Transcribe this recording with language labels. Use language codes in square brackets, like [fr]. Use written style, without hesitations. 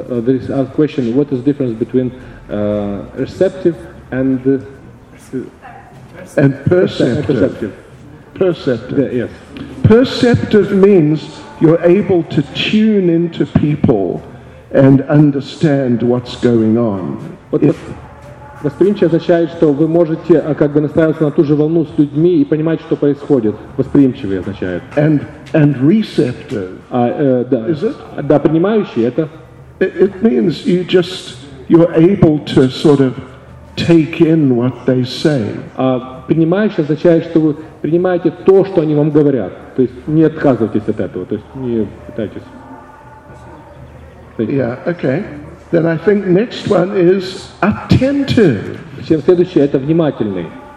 [en] There is a question, what is the difference between receptive and perceptive. Perceptive. Yes. Perceptive means you're able to tune into people and understand what's going on. [ru] Восприимчивость означает, что вы можете как бы настраиваться на ту же волну с людьми и понимать, что происходит. Восприимчивый означает. [en] And receptive. Is it? [ru] Да, принимающий это. [en] It means you're able to sort of take in what they say. [ru] Принимаешь означает, что вы принимаете то, что они вам говорят. То есть не отказывайтесь от этого, то есть не пытайтесь. [en] Yeah, okay. Then I think next one is attentive. [ru] Следующее это внимательный.